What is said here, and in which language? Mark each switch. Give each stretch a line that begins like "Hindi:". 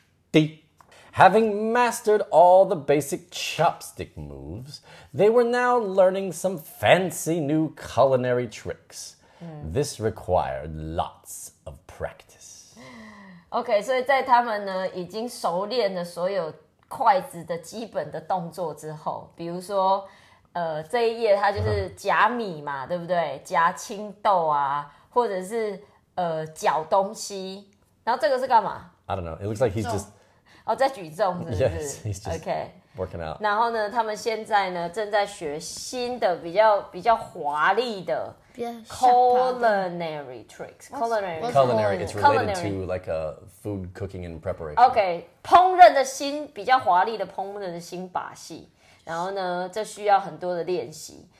English: D. Having mastered all the basic chopstick moves, they were now learning some fancy new culinary tricks. This required lots of practice.
Chinese: Okay, 所以在他们呢已经熟练了所有筷子的基本的动作之后，比如说，这一页它就是夹米嘛，对不对？夹青豆啊，或者是搅东西。然后这个是干嘛
English: ？I don't know. It looks like he's just
Chinese: 哦，在举重是不是
English: ？Yes, he's just okay. Working out.
Chinese: 然后呢，他们现在呢正在学新的比较华丽的
English: culinary tricks. Culinary. It's related to like a food cooking and preparation.
Chinese: Okay, 烹饪的新比较华丽的烹饪的新把戏。然后呢，这需要很多的练习。